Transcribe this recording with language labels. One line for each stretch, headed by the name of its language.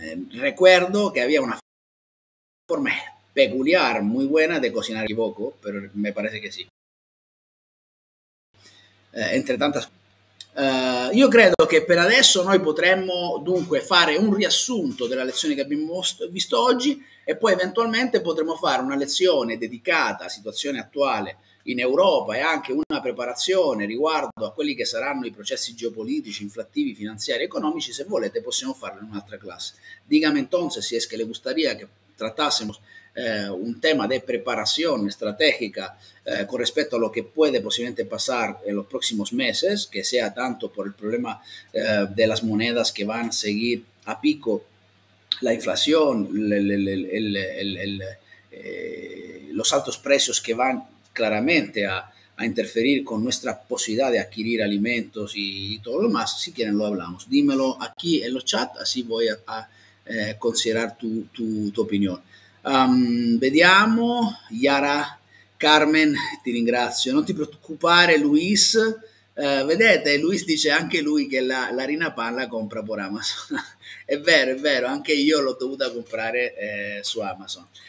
Spanish: Recuerdo que había una forma peculiar, muy buena de cocinar y poco, pero me parece que sí. Entre tantas cosas.
Italian: Io credo che per adesso noi potremmo dunque fare un riassunto della lezione che abbiamo visto oggi e poi eventualmente potremmo fare una lezione dedicata alla situazione attuale in Europa e anche una preparazione riguardo a quelli che saranno i processi geopolitici, inflattivi, finanziari, economici. Se volete possiamo farlo in un'altra classe.
Spanish: Dígame entonces si es que le gustaría que
Italian: trattassimo
Spanish: un tema de preparación estratégica con respecto a lo que puede posiblemente pasar en los próximos meses, que sea tanto por el problema de las monedas que van a seguir a pico, la inflación, los altos precios que van claramente a interferir con nuestra posibilidad de adquirir alimentos y todo lo demás. Si quieren lo hablamos, dímelo aquí en los chat, así voy a considerar tu opinión.
Italian: Vediamo, Yara, Carmen, ti ringrazio, non ti preoccupare, Luis, vedete, Luis dice anche lui che la Rina Pan la compra per Amazon, è vero, anche io l'ho dovuta comprare su Amazon.